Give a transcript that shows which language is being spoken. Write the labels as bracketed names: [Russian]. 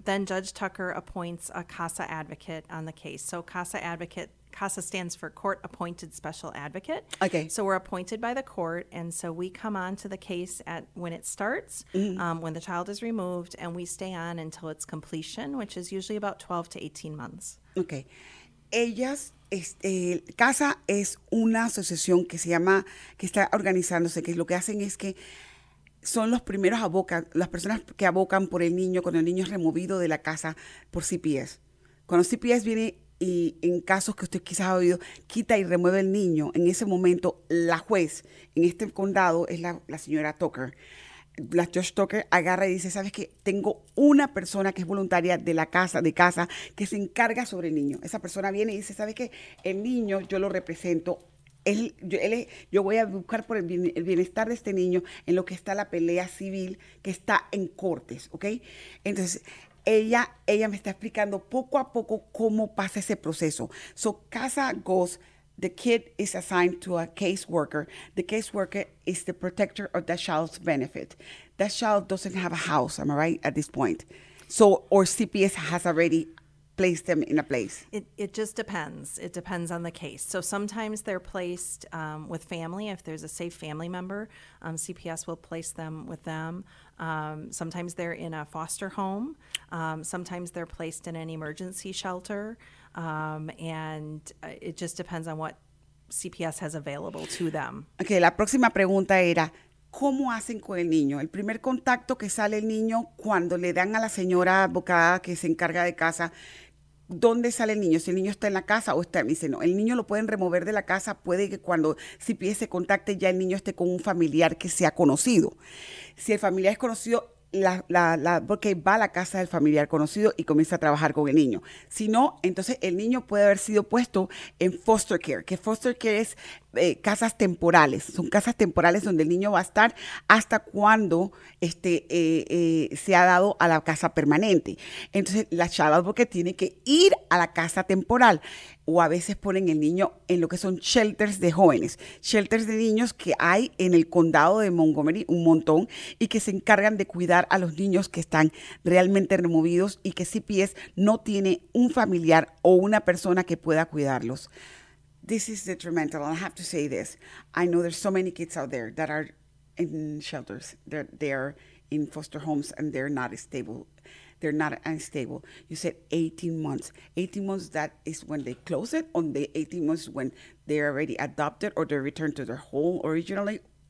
[English] Then Judge Tucker appoints a CASA advocate on the case. So CASA stands for Court Appointed Special Advocate. Okay. So we're appointed by the court, and so we come on to the case at when it starts, mm-hmm. When the child is removed, and we stay on until its completion, which is usually about 12 to 18 months. Okay. [Spanish] Ellas, CASA es una asociación que se llama, que está organizándose, que lo que hacen es que son los primeros las personas que abocan por el niño cuando el niño es removido de la casa por CPS. Cuando CPS viene y en casos que usted quizás ha oído, quita y remueve el niño, en ese momento la juez en este condado es la señora Tucker. La Josh Tucker agarra y dice, ¿sabes qué? Tengo una persona que es voluntaria de la casa, de casa, que se encarga sobre el niño. Esa persona viene y dice, ¿sabes qué? El niño, yo lo represento. Yo voy a buscar por el bienestar de este niño en lo que está la pelea civil que está en cortes, ¿ok? Entonces, ella me está explicando poco a poco cómo pasa ese proceso. [English] So, CASA goes, the kid is assigned to a caseworker. The caseworker is the protector of that child's benefit. That child doesn't have a house, am I right, at this point? So, or CPS has already placed them in a place? It just depends. It depends on the case. So sometimes they're placed with family. If there's a safe family member, CPS will place them with them. Sometimes they're in a foster home. Sometimes they're placed in an emergency shelter. And it just depends on what CPS has available to them. [Spanish] Okay, la próxima pregunta era, ¿cómo hacen con el niño? El primer contacto que sale el niño cuando le dan a la señora abogada que se encarga de casa, ¿dónde sale el niño? Si el niño está en la casa o está, me dice, no, el niño lo pueden remover de la casa, puede que cuando CPS se contacte ya el niño esté con un familiar que sea conocido. Si el familiar es conocido, la porque va a la casa del familiar conocido y comienza a trabajar con el niño. Si no, entonces el niño puede haber sido puesto en foster care, que foster care es casas temporales. Son casas temporales donde el niño va a estar hasta cuando se ha dado a la casa permanente. Entonces, la child advocate tiene que ir a la casa temporal. O a veces ponen el niño en lo que son shelters de jóvenes. Shelters de niños que hay en el condado de Montgomery un montón y que se encargan de cuidar a los niños que están realmente removidos y que CPS no tiene un familiar o una persona que pueda cuidarlos. [English] This is detrimental. I have to say this. I know there's so many kids out there that are in shelters. They're in foster homes and they're not stable. They're not unstable. You said 18 months. 18 months, that is when they close it, on the 18 months when they're already adopted or they return to their home originally?